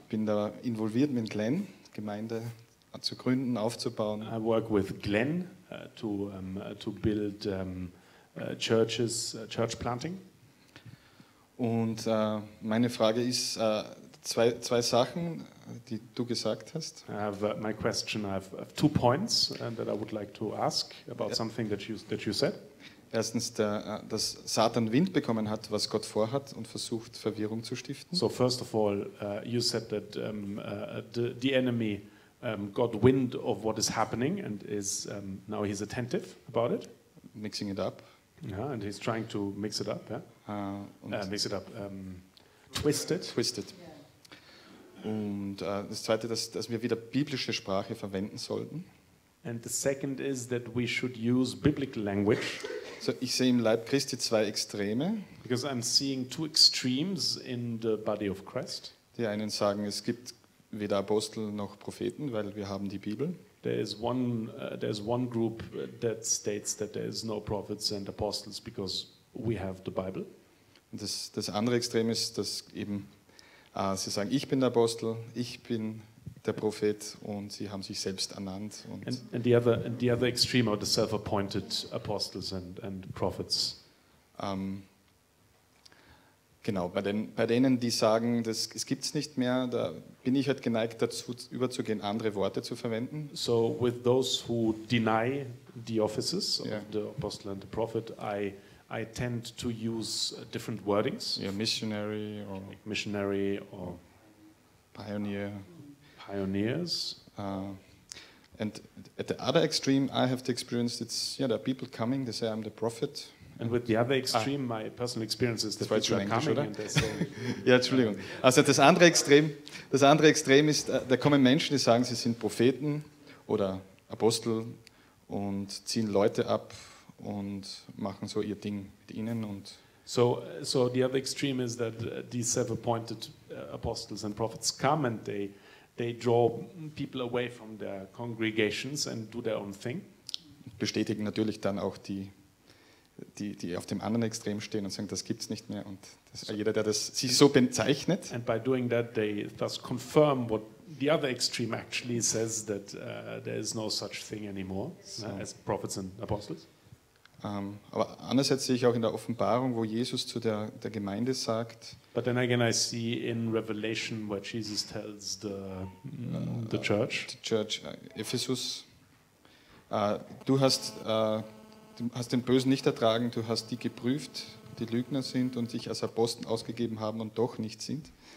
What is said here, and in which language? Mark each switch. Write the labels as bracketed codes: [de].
[de] Bin da involviert mit Glenn, Gemeinde zu gründen, aufzubauen. [en] I work with Glenn to build churches, church planting. [de] Und meine Frage ist zwei Sachen, die du gesagt hast. [en] I have two points that I would like to ask about something that you said. [de] Erstens, dass Satan Wind bekommen hat, was Gott vorhat und versucht, Verwirrung zu stiften. [en] So first of all, you said that the enemy got wind of what is happening and is now he's attentive about it. Mixing it up. Yeah, and he's trying to mix it up. Yeah. Twisted. [de] Und das Zweite, dass wir wieder biblische Sprache verwenden sollten. [en] And the second is that we should use biblical language. [de] So, ich sehe im Leib Christi zwei Extreme. [en] Because I'm seeing two extremes in the body of Christ. [de] Die einen sagen, es gibt weder Apostel noch Propheten, weil wir haben die Bibel. [en] There is one group that states that there is no prophets and apostles because we have the Bible. [de] Und das andere Extrem ist, dass eben sie sagen, ich bin der Apostel, ich bin der Prophet und sie haben sich selbst ernannt. [en] And the other extreme are the self-appointed apostles and prophets. [de] Genau, bei denen, die sagen, es gibt es nicht mehr, da bin ich halt geneigt, dazu überzugehen, andere Worte zu verwenden. [en] So with those who deny the offices of the apostle and the prophet, I tend to use different wordings. Yeah, missionary or... Like missionary or... Pioneer. Pioneers. And at the other extreme, I have the experience, there are people coming, they say I'm the prophet. And with the other extreme, my personal experience is that people are coming, [de] oder? [en] And they're saying... [de] Ja, Entschuldigung. Also das andere Extrem ist, da kommen Menschen, die sagen, sie sind Propheten oder Apostel und ziehen Leute ab und machen so ihr Ding mit ihnen und... [en] So the other extreme is that these self-appointed apostles and prophets come and they draw people away from their congregations and do their own thing. [de] Bestätigen natürlich dann auch die auf dem anderen Extrem stehen und sagen, das gibt's nicht mehr und jeder, der das sich so bezeichnet. [en] And by doing that, they thus confirm what the other extreme actually says, that there is no such thing anymore as prophets and apostles. [de] Aber andererseits sehe ich auch in der Offenbarung, wo Jesus zu der Gemeinde sagt. [en] But then again, I see in Revelation what Jesus tells the church. The church, Ephesus. [de] Du hast den Bösen nicht ertragen, du hast die geprüft, die Lügner sind und sich als Apostel ausgegeben haben und doch nicht sind.